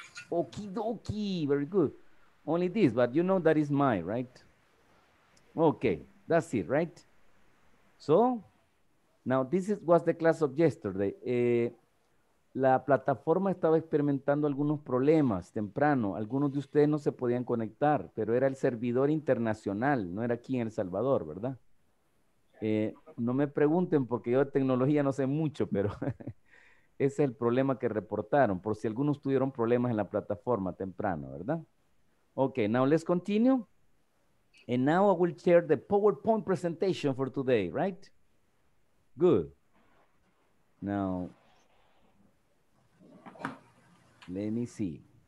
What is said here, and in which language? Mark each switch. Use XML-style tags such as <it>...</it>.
<en>Okie dokie, very good. Only this, but you know that is my, right? Okay, that's it, right? So, now this was the class of yesterday.</en> <es>La plataforma estaba experimentando algunos problemas temprano. Algunos de ustedes no se podían conectar, pero era el servidor internacional, no era aquí en El Salvador, ¿verdad? No me pregunten porque yo de tecnología no sé mucho, pero... Ese es el problema que reportaron, por si algunos tuvieron problemas en la plataforma temprano, ¿verdad?</es> <en>Okay, now let's continue. And now I will share the PowerPoint presentation for today, right? Good. Now, let me see.</en>